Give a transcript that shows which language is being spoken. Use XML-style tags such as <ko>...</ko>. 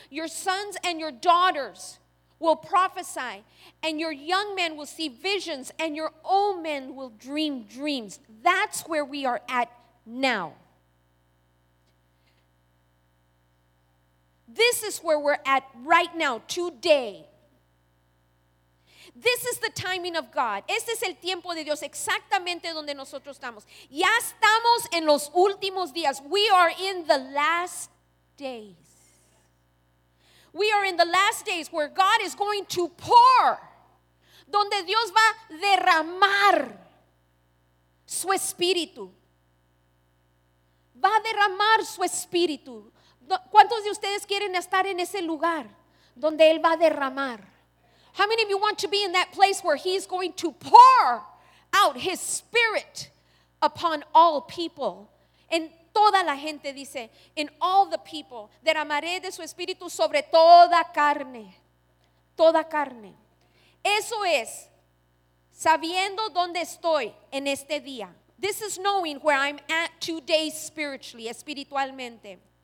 <en>Your sons and your daughters will prophesy, and your young men will see visions, and your old men will dream dreams. That's where we are at now. This is where we're at right now, today. This is the timing of God.</en> <es>Este es el tiempo de Dios, exactamente donde nosotros estamos. Ya estamos en los últimos días.</es> <en>We are in the last days. We are in the last days where God is going to pour,</en> <es>donde Dios va a derramar su espíritu. Va a derramar su espíritu. ¿Cuántos de ustedes quieren estar en ese lugar donde Él va a derramar?</es> <en>How many of you want to be in that place where he's going to pour out his spirit upon all people?</en> <es>En toda la gente, dice,</es> <en>in all the people,</en> <es>derramaré de su espíritu sobre toda carne. Toda carne. Eso es sabiendo dónde estoy en este día.</es> <en>This is knowing where I'm at today spiritually, espiritualmente.</en>